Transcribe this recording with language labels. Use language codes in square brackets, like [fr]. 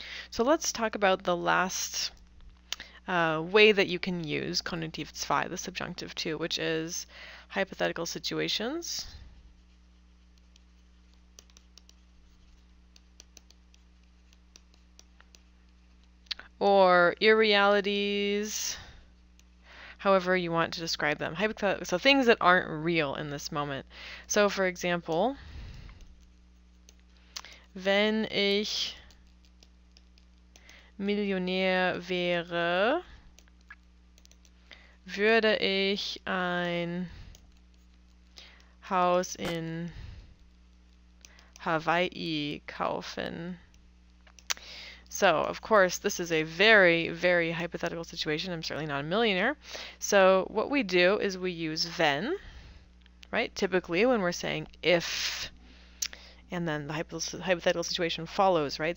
[en] So let's talk about the last way that you can use Konjunktiv 2, the subjunctive 2, which is hypothetical situations. Or irrealities, however you want to describe them. So things that aren't real in this moment. So for example, [de] wenn ich Millionär wäre, würde ich ein Haus in Hawaii kaufen. [en] So, of course, this is a very, very hypothetical situation. I'm certainly not a millionaire. So what we do is we use wenn, right? Typically when we're saying if, and then the hypothetical situation follows, right?